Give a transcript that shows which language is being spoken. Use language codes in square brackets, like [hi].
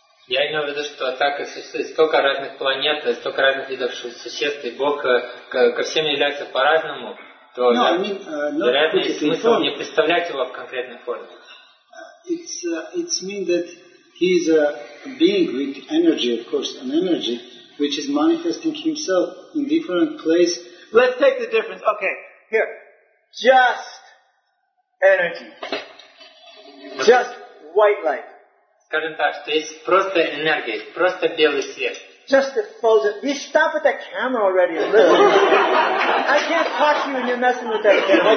[ru] Я имею в виду, что так как существует столько разных планет, столько разных видов существ, и Бог ко всем является по-разному, то вероятно есть смысл не представлять его в конкретной форме. [en] It means that he is a being with energy, of course, an energy which is manifesting himself in different places. Let's take the difference. Okay, here. Just energy. Just white light. [ru] Скажем так, что есть просто энергия, просто белый свет. [en] Just effulgent. You stop with that camera already. I can't talk to you and you're messing with that camera.